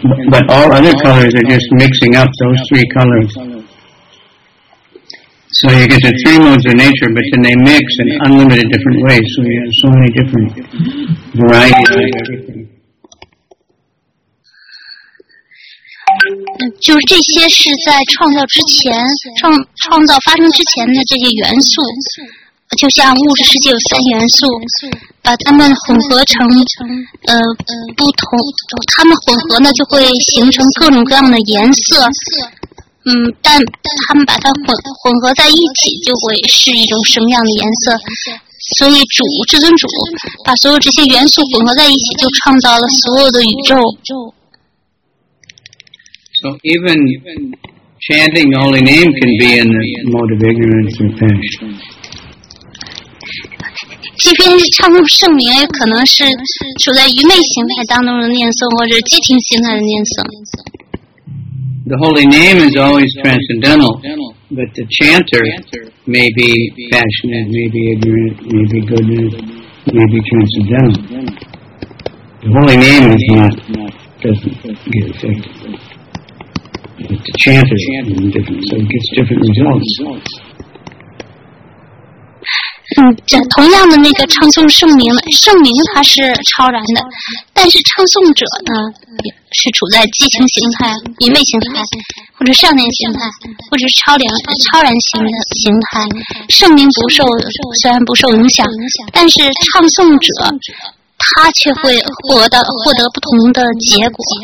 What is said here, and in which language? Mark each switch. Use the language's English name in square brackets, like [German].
[English] But all other colors are just mixing up those three colors. So you get the three modes of nature, but then they mix in unlimited different ways. So you have so many different varieties of everything. [Chinese] 就是这些是在创造之前创造发生之前的这些元素，就像物质世界有三元素，把它们混合成不同，它们混合呢就会形成各种各样的颜色，但它们把它混合在一起就会是一种什么样的颜色。所以主至尊主把所有这些元素混合在一起，就创造了所有的宇宙。 [English] So even chanting the holy name can be in the mode of ignorance and passion. [Chinese] 即便是唱诵圣名，也可能是处在愚昧形态当中的念诵，或者激情形态的念诵。 [English] The holy name is always transcendental, but the chanter may be passionate, may be ignorant, may be goodness, may be transcendental. The holy name is not, doesn't get affected. The chant is different, so it gets different results. [Chinese] 同样的那个唱诵圣名它是超然的，但是唱诵者呢，是处在激情形态、愚昧形态，或者善念形态，或者是超然形的形态。圣名不受，虽然不受影响，但是唱诵者他却会获得不同的结果。